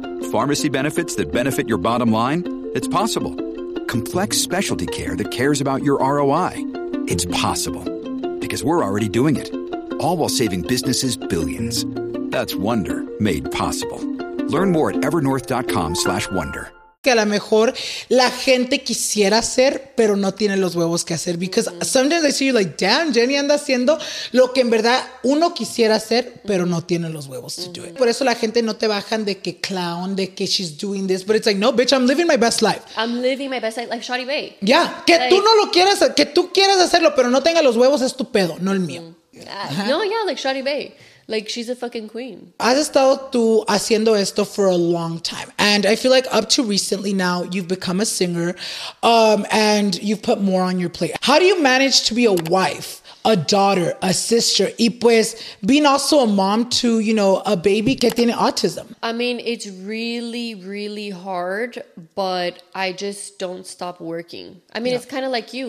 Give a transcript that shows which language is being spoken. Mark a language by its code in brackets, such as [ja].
[en] Pharmacy benefits that benefit your bottom line? It's possible. Complex specialty care that cares about your ROI? It's possible. Because we're already doing it, all while saving businesses billions. That's Wonder made possible. Learn more at evernorth.com/wonder. [es] Que a lo mejor la gente quisiera hacer, pero no tiene los huevos que hacer. [en] Because sometimes I see you like, damn, [es] Jenny anda haciendo lo que en verdad uno quisiera hacer, pero no tiene los huevos [en] to do it. [es] Por eso la gente no te bajan de que clown, de que [en] she's doing this. But it's like, no, bitch, I'm living my best life. I'm living my best life, like Shawty Bae. [es] Yeah, que like, tú no lo quieras, que tú quieras hacerlo, pero no tenga los huevos, es tu pedo, no el mío. [en] No, yeah, like Shawty Bae. Like, she's a fucking queen. [es] Has estado tú haciendo esto [en] for a long time. And I feel like up to recently now, you've become a singer and you've put more on your plate. How do you manage to be a wife, a daughter, a sister, [es] y pues [en] being also a mom to, you know, a baby [es] que tiene [en] autism? I mean, it's really, really hard, but I just don't stop working. I mean, it's kind of like you.